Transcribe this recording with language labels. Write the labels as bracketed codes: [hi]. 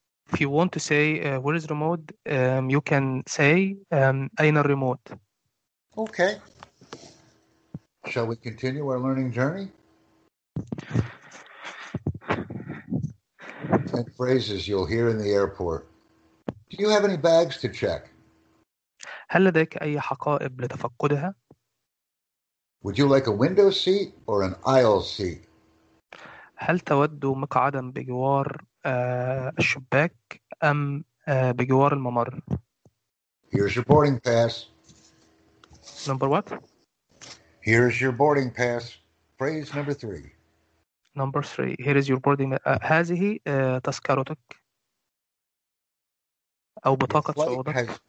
[en] If you want to say where is remote, you can say [ar] أين الريموت. [en] Okay. Shall we continue our learning journey? Ten phrases you'll hear in the airport. Do you have any bags to check? [ar] هل لديك أي حقائب لتفقدها؟ [en] Would you like a window seat or an aisle seat? [ar] هل تود مقعدا بجوار الشباك أم بجوار الممر؟ [en] Here's your boarding pass. Number what? Here's your boarding pass. Phrase number three. Number three. Here is your boarding. [ar] هذه تذكرتك أو بطاقة صعودك.